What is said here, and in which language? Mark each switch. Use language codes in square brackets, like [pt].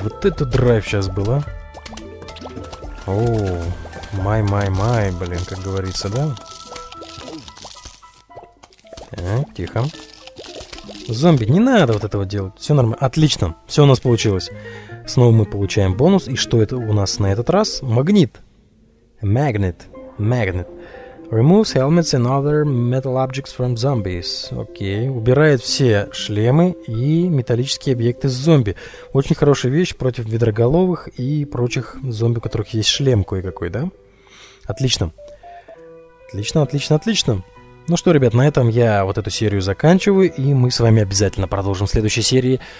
[ru] Вот это драйв сейчас был, а? О, май-май-май, блин, как говорится, да? Так, тихо. Зомби, не надо вот этого делать. Все нормально. Отлично, все у нас получилось. Снова мы получаем бонус. И что это у нас на этот раз? Магнит. Магнит. [en] Removes helmets and other metal objects from zombies. [ru] Окей. Убирает все шлемы и металлические объекты с зомби. Очень хорошая вещь против ведроголовых и прочих зомби, у которых есть шлем кое-какой, да? Отлично. Отлично. Ну что, ребят, на этом я вот эту серию заканчиваю, и мы с вами обязательно продолжим в следующей серии.